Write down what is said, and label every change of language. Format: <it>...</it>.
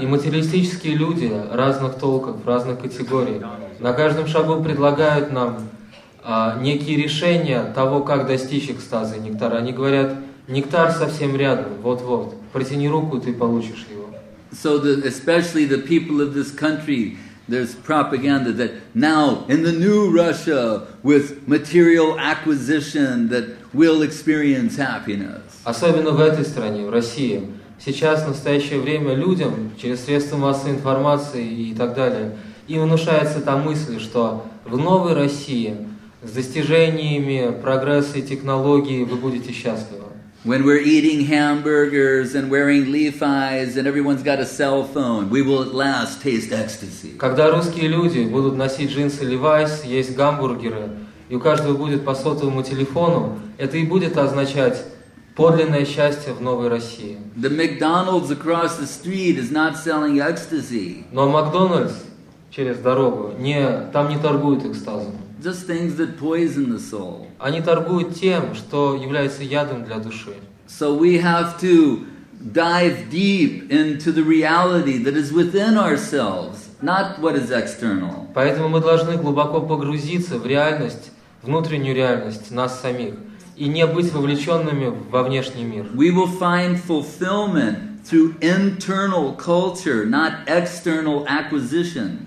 <ru>И материалистические люди разных толков, разных категорий на каждом шагу предлагают нам некие решения того, как достичь экстаза и нектара. Они говорят, нектар совсем рядом, вот-вот, протяни руку, ты получишь его.</ru> <en>So especially the people of this country, there's propaganda that now in the new Russia with material acquisition that we'll experience happiness.</en> <ru>Особенно в этой стране, в России, сейчас в настоящее время людям через средства массовой информации и так далее, им внушается та мысль, что в новой России с достижениями прогресса и технологии вы будете счастливы.</ru> <en>When we're eating hamburgers and wearing Levi's and everyone's got a cell phone, we will at last taste ecstasy.</en> <ru>Когда русские люди будут носить джинсы Levi's, есть гамбургеры, и у каждого будет по сотовому телефону, это и будет означать подлинное счастье в новой России.</ru> <en>The McDonald's across the street is not selling ecstasy.</en> <ru>Но Макдональдс через дорогу не, там не торгуют экстазом.</ru> <en>Just things that poison the soul.</en> <ru>Они торгуют тем, что является ядом для души.</ru> <en>So we have to dive deep into the reality that is within ourselves, not what is external.</en> <ru>Поэтому мы должны глубоко погрузиться в реальность, внутреннюю реальность нас самих, и не быть вовлеченными во внешний мир.</ru> <en>We will find fulfillment through internal culture, not external acquisition.</en>